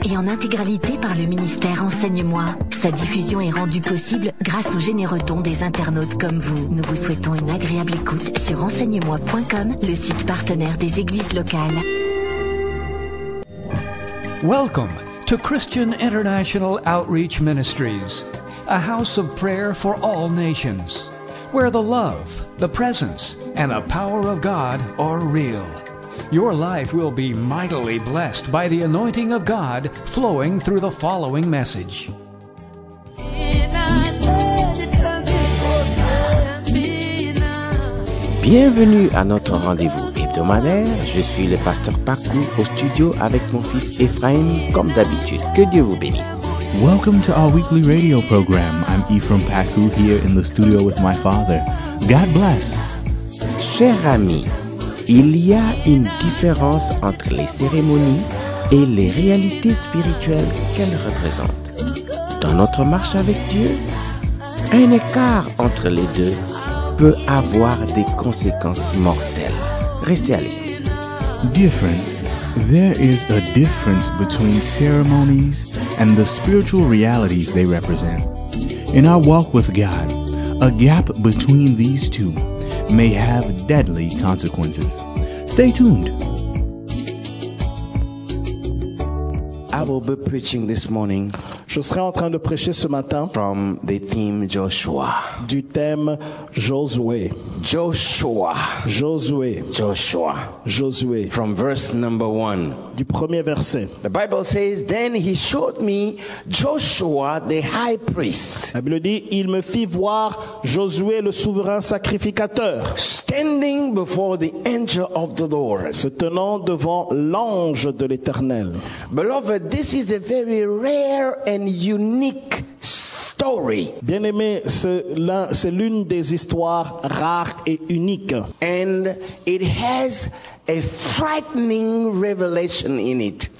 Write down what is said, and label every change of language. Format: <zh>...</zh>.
<fr>Et en intégralité par le ministère Enseigne-moi. Sa diffusion est rendue possible grâce aux généreux dons des internautes comme vous. Nous vous souhaitons une agréable écoute sur enseignemoi.com, le site partenaire des églises locales.</fr> <en>Welcome to Christian International Outreach Ministries, a house of prayer for all nations, where the love, the presence, and the power of God are real. Your life will be mightily blessed by the anointing of God flowing through the following message.</en> <fr>Bienvenue à notre rendez-vous hebdomadaire. Je suis le pasteur Paco au studio avec mon fils Ephraim, comme d'habitude. Que Dieu vous bénisse.</fr> <en>Welcome to our weekly radio program. I'm Ephraim Paco here in the studio with my father. God bless.</en> <fr>Cher ami, il y a une différence entre les cérémonies et les réalités spirituelles qu'elles représentent. Dans notre marche avec Dieu, un écart entre les deux peut avoir des conséquences mortelles. Restez à l'écoute.</fr> <en>Difference. There is a difference between ceremonies and the spiritual realities they represent. In our walk with God, a gap between these two may have deadly consequences. Stay tuned. I will be preaching this morning.</en> <fr>Je serai en train de prêcher ce matin.</fr> <en>From the theme Joshua.</en> <fr>Du thème Josué.</fr> <en>Joshua.</en> <fr>Josué.</fr> <en>Joshua.</en> <fr>Josué.</fr> <en>From verse number one.</en> <fr>Du premier verset.</fr> <en>The Bible says, "Then he showed me Joshua, the high priest."</en> <fr>La Bible dit, il me fit voir Josué, le souverain sacrificateur.</fr> <en>Standing before the angel of the Lord.</en> <fr>Se tenant devant l'ange de l'Éternel.</fr> <en>Beloved, this is a very rare and unique story.</en> <fr>Bien-aimé, c'est l'une des histoires rares et uniques.</fr> <en>And it has a frightening revelation in it.</en>